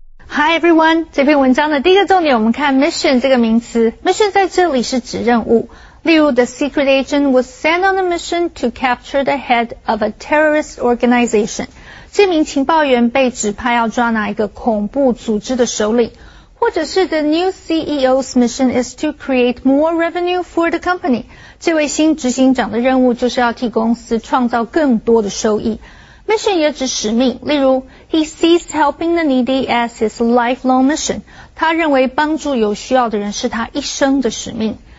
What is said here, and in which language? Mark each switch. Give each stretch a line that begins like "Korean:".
English: Hi everyone,
Chinese: 这篇文章的第一个重点我们看 mission 这个名词。 mission 在这里是指任务。例如
English: ,the secret agent was sent on a mission to capture the head of a terrorist organization.
Chinese: 这名情报员被指派要抓哪一个恐怖组织的首领。或者是
English: the new CEO's mission is to create more revenue for the company.
Chinese: 这位新执行长的任务就是要替公司创造更多的收益。
English: Mission
Chinese: 也指使命，例如
English: He sees helping the needy as his lifelong mission.
Chinese: 他认为帮助有需要的人是他一生的使命。